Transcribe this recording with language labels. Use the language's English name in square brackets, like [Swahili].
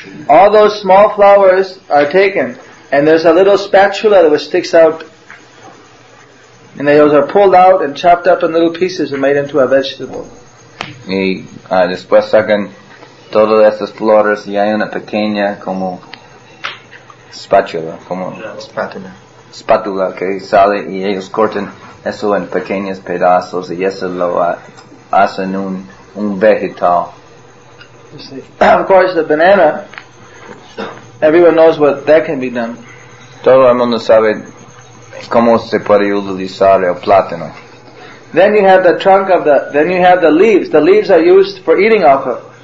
[English] All those small flowers are taken, and there's a little spatula that sticks out, and they are pulled out and chopped up in little pieces and made into a vegetable. [Spanish] Y después sacan todas esas flores y hay una pequeña como spatula. Como [English] spatula. [Spanish] Espátula que sale y ellos cortan eso en pequeños pedazos y eso lo hacen un vegetal. [English] Of course, the banana, everyone knows what that can be done. [Spanish] Todo el mundo sabe cómo se puede utilizar el plátano. [English] Then you have the trunk of the. Then you have the leaves. The leaves are used for eating off of.